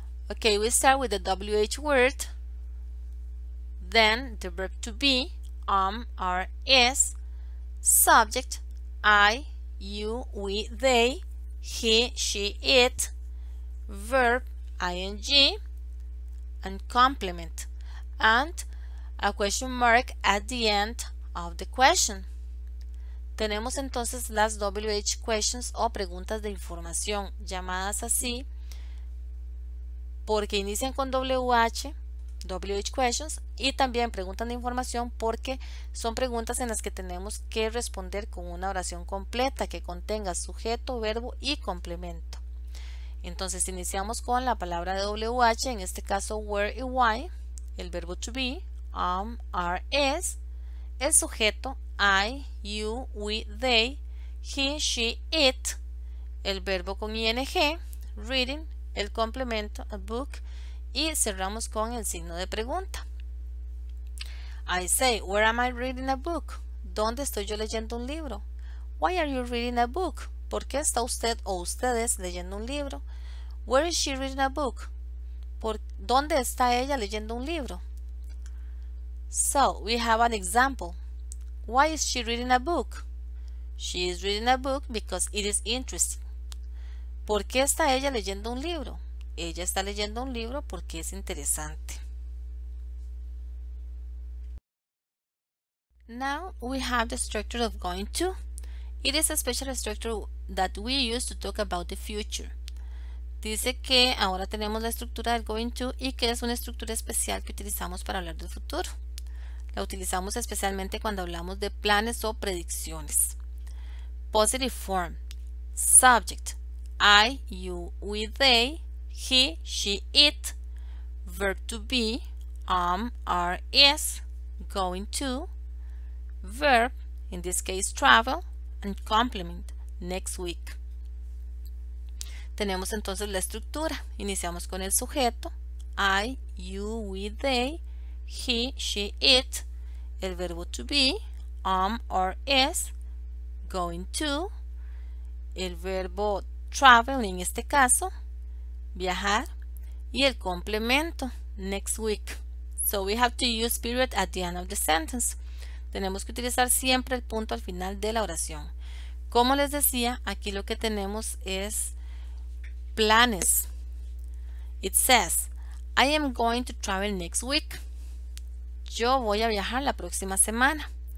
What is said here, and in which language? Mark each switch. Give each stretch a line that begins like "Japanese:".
English: Okay, we start with the WH word, then the verb to be: am, are, is. Subject: I, you, we, they, he, she, it. Verb: ing. And complement. And a question mark at the end of the question.
Spanish: Tenemos entonces las WH questions o preguntas de información, llamadas así porque inician con WH, WH questions, y también preguntas de información porque son preguntas en las que tenemos que responder con una oración completa que contenga sujeto, verbo y complemento. Entonces iniciamos con la palabra de WH, en este caso where y why, el verbo to be, am, are, is, el sujeto I, you, we, they, he, she, it, el verbo con ing, reading, el complemento, a book, y cerramos con el signo de pregunta.
English: I say, where am I reading a book?
Spanish: ¿Dónde estoy yo leyendo un libro?
English: Why are you reading a book?
Spanish: ¿Por qué está usted o ustedes leyendo un libro?
English: Where is she reading a book?
Spanish: ¿Dónde está ella leyendo un libro?
English: So, we have an example. Why is she reading a book? She is reading a book because it is interesting.
Spanish: ¿Por qué está ella leyendo un libro? Ella está leyendo un libro porque es interesante.
English: Now we have the structure of going to. It is a special structure that we use to talk about the future.
Spanish: Dice que ahora tenemos la estructura del going to y que es una estructura especial que utilizamos para hablar del futuro. La utilizamos especialmente cuando hablamos de planes o predicciones.
English: Positive form. Subject. I, you, we, they, he, she, it. Verb to be. Am, are, is. Going to. Verb. In this case, travel. And complement. Next week.
Spanish: Tenemos entonces la estructura. Iniciamos con el sujeto. I, you, we, they, he, she, it. El verbo to be, am or is, going to, el verbo travel en este caso, viajar, y el complemento, next week.
English: So we have to use period at the end of the sentence.
Spanish: Tenemos que utilizar siempre el punto al final de la oración. Como les decía, aquí lo que tenemos es planes.
English: It says, I am going to travel next week.
Spanish: Yo voy a viajar la próxima semana.